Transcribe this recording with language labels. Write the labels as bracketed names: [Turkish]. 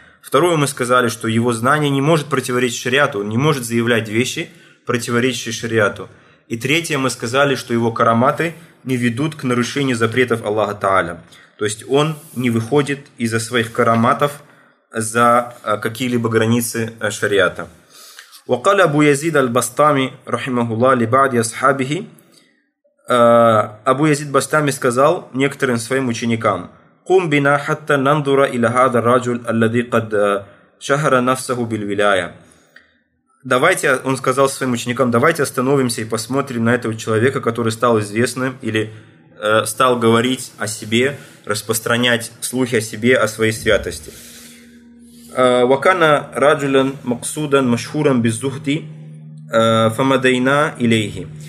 [Russian] Второе мы сказали, что его знание не может противоречить шариату, он не может заявлять вещи, противоречащие шариату. И третье мы сказали, что его караматы не ведут к нарушению запретов Аллаха Та'аля. То есть он не выходит из-за своих караматов за какие-либо границы шариата. [Arabic] وقال أبو يزيد البسطامي رحمه الله لبعض أصحابه. [Russian] Абу Язид Бастами сказал некоторым своим ученикам: [Arabic] قُمْ بِنَا حَتَّى نَنْظُرَ إِلَى هَذَا الرَّجُلَ الَّذِي قَدْ شَهَرَ نَفْسَهُ بِالْوِلَايَ. [Russian] Давайте, он сказал своим ученикам, давайте остановимся и посмотрим на этого человека, который стал известным или стал говорить о себе, распространять слухи о себе, о своей святости. [Arabic] وَكَانَ رَجُلًا مَقْصُودًا مَشْهُورًا بِزُّهْدِ فَمَدَيْنَا إِلَيْهِ.